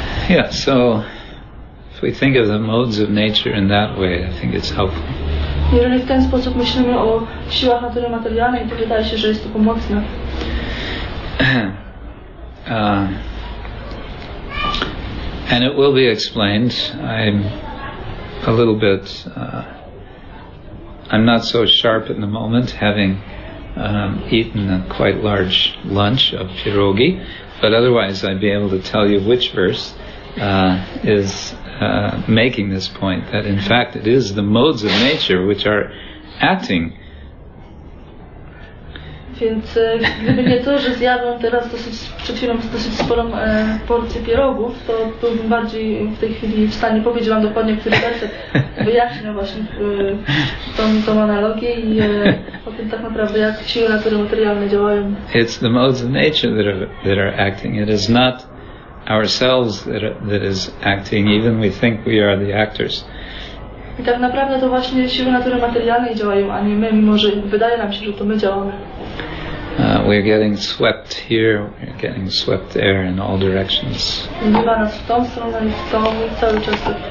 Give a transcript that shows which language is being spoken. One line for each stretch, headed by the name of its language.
English: Yeah, so if we think of the modes of nature in that way, I think it's helpful.
Polish: Jeżeli w ten sposób myślimy o siłach natury materialnej, to wydaje się, że jest to pomocne.
English: And it will be explained. I'm a little bit I'm not so sharp in the moment, having eaten a quite large lunch of pierogi, but otherwise I'd be able to tell you which verse is making this point, that in fact it is the modes of nature which are acting.
Polish: Więc gdyby nie to, że zjadłem teraz przed chwilą dosyć sporą porcję pierogów, to byłbym bardziej w tej chwili w stanie powiedzieć wam dokładnie, który werset wyjaśnia właśnie tą analogię i o tym tak naprawdę, jak siły natury materialne działają.
English: It's the modes of nature that are acting. It is not ourselves that is acting, even we think we are the actors.
Polish: I tak naprawdę to właśnie siły natury materialnej działają, a nie my, mimo że wydaje nam się, że to my działamy.
English: We're getting swept here, we're getting swept there in all directions.
Polish: Bywa nas w tą stronę i w tą cały czas.